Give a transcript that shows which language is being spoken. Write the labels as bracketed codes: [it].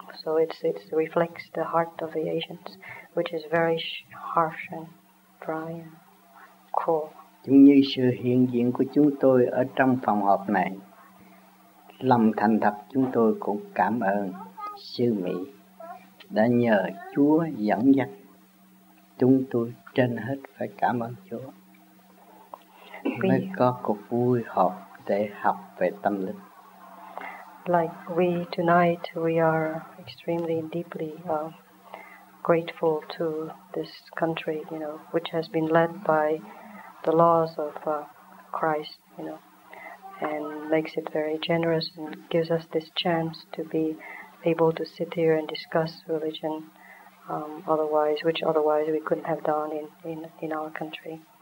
[en] So it reflects the heart of the Asians, which is very harsh and dry and cruel. [vi] Cũng như sự hiện diện của chúng tôi ở trong phòng họp này, lòng thành thật chúng tôi cũng cảm ơn sư Mỹ đã nhờ Chúa dẫn dắt chúng tôi, trên hết phải cảm ơn Chúa mới có cuộc vui họp để học về tâm linh. [en] Like we tonight, we are extremely deeply grateful to this country, you know, which has been led by the laws of Christ, you know, and makes it very generous and gives us this chance to be able to sit here and discuss religion, which otherwise we couldn't have done in our country.